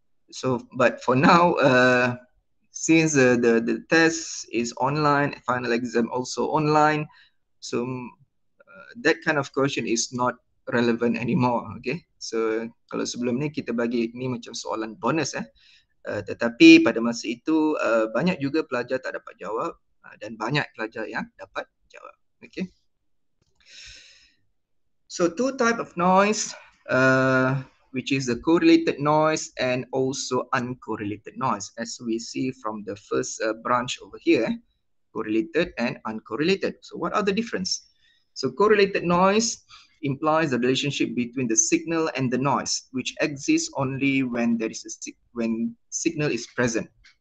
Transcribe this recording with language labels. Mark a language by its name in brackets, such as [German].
[English] So but for now, since the test is online, final exam also online, so that kind of question is not relevant anymore. [Malay] Okay. So kalau sebelum ni kita bagi ni macam soalan bonus, eh. Tetapi pada masa itu banyak juga pelajar tak dapat jawab dan banyak pelajar yang dapat jawab. [English] Okay. So two type of noise, which is the correlated noise and also uncorrelated noise, as we see from the first branch over here, correlated and uncorrelated. So what are the difference? So correlated noise implies the relationship between the signal and the noise, which exists only when there is a when signal is present.